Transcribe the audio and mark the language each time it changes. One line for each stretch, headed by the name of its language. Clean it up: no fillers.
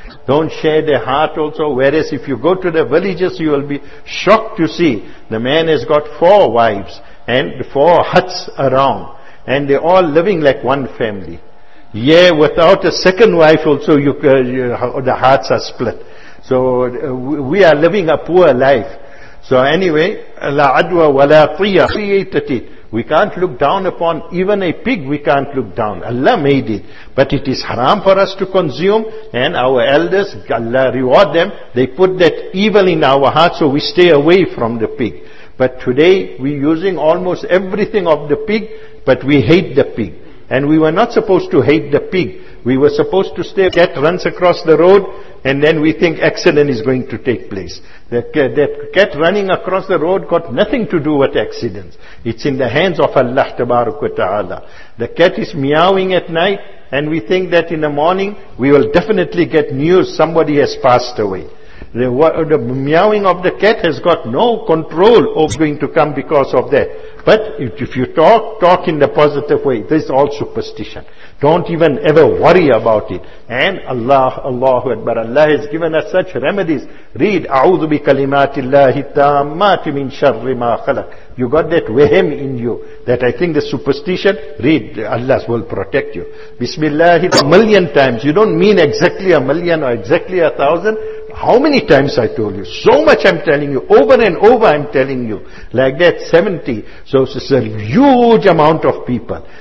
English: Don't share their heart also. Whereas if you go to the villages, you will be shocked to see the man has got 4 wives and 4 huts around. And they're all living like one family. Yeah, without a second wife also, the hearts are split. So we are living a poor life. So anyway,
Arabic: لا عدوى ولا قيا.
English: We can't look down upon even a pig, we can't look down. Allah made it. But it is haram for us to consume, and our elders, Allah reward them, they put that evil in our hearts so we stay away from the pig. But today we're using almost everything of the pig, but we hate the pig. And we were not supposed to hate the pig. We were supposed to stay, cat runs across the road, and then we think accident is going to take place. That cat running across the road got nothing to do with accidents. It's in the hands of Allah tabaraka wa ta'ala. The cat is meowing at night, and we think that in the morning, we will definitely get news somebody has passed away. The meowing of the cat has got no control of going to come because of that. But if you talk in the positive way, this is all superstition. Don't even ever worry about it. And Allahu Akbar, Allah has given us such remedies. Read,
Arabic: أعوذ بكلمات الله التامات من شر ما خلق.
English: You got that wahm in you, that I think the superstition, read, Allah will protect you. Bismillah, a million times. You don't mean exactly a million or exactly a thousand. How many times I told you? So much I'm telling you. Over and over I'm telling you. Like that, 70. So it's a huge amount of people.